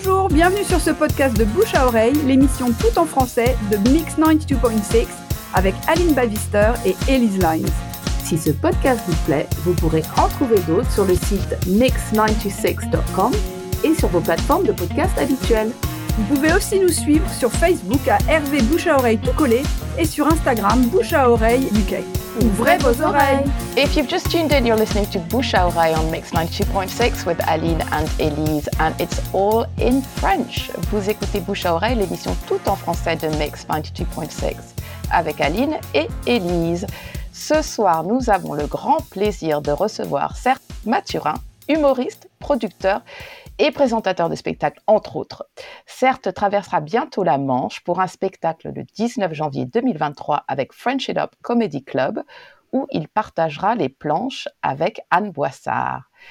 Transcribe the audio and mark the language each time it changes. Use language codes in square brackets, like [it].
[fr] Bienvenue sur ce podcast de Bouche à Oreille, l'émission tout en français de Mix 92.6 avec Aline Bavister et Elise Lines. Si ce podcast vous plaît, vous pourrez en trouver d'autres sur le site mix96.com et sur vos plateformes de podcast habituelles. Vous pouvez aussi nous suivre sur Facebook à Hervé Bouche à Oreille tout collé et sur Instagram Bouche à Oreille UK. Ouvrez vos oreilles! [en] If you've just tuned in, you're listening to Bouche à Oreille on Mix 92.6 with Aline and Elise, and it's all in French. [fr] Vous écoutez Bouche à Oreille, l'émission tout en français de Mix 92.6 avec Aline et Elise. Ce soir, nous avons le grand plaisir de recevoir Serge Mathurin, humoriste, producteur et présentateur de spectacles, entre autres. Serge traversera bientôt la Manche pour un spectacle le 19 janvier 2023 avec French It Up Comedy Club, où il partagera les planches avec Anne Boissard.